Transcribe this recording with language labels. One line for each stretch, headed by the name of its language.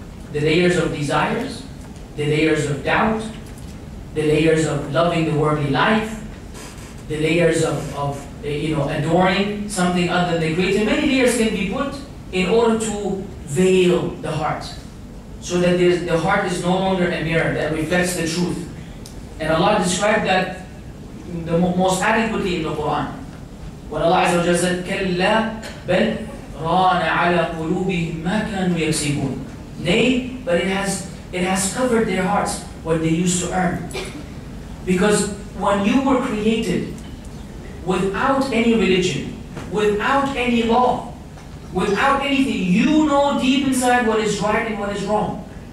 English: The layers of desires, the layers of doubt, the layers of loving the worldly life, the layers of adoring something other than the Creator. Many layers can be put in order to veil the heart, so that the heart is no longer a mirror that reflects the truth. And Allah described that the most adequately in the Quran. When Allah Azza wa Jalla said,
Arabic: كَلَّا بَلْ رَانَ عَلَى قُلُوبِهِمْ مَا كَانُوا يَكْسِبُونَ.
English: Nay, but it has covered their hearts what they used to earn. Because when you were created without any religion, without any law, without anything, you know deep inside what is right and what is wrong.